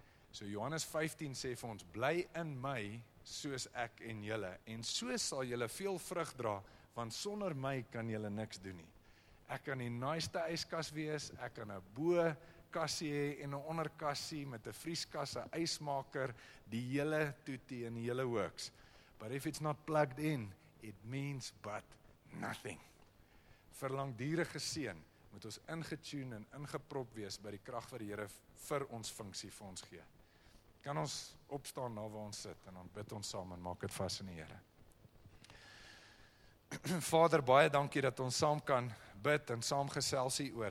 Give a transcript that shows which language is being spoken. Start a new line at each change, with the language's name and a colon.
Afrikaans: So Johannes 15 sê vir ons, bly in my soos ek en julle, en so sal julle veel vrug dra, want sonder my kan julle niks doen nie. Ek kan die naaste yskas wees, ek kan 'n bo kassie hê en 'n onderkassie met 'n vrieskas, 'n ysmaker, die hele toetie en die hele works.
English: But if it's not plugged in, it means but nothing.
Afrikaans: Vir langdurige seën moet ons ingetune en ingeprop wees by die krag wat die Here vir ons funksie vir ons gee. Kan ons opstaan na waar ons sit en dan bid ons saam en maak dit vas in die Here. Vader, baie dankie dat ons saam kan bid en saam gesels hier oor.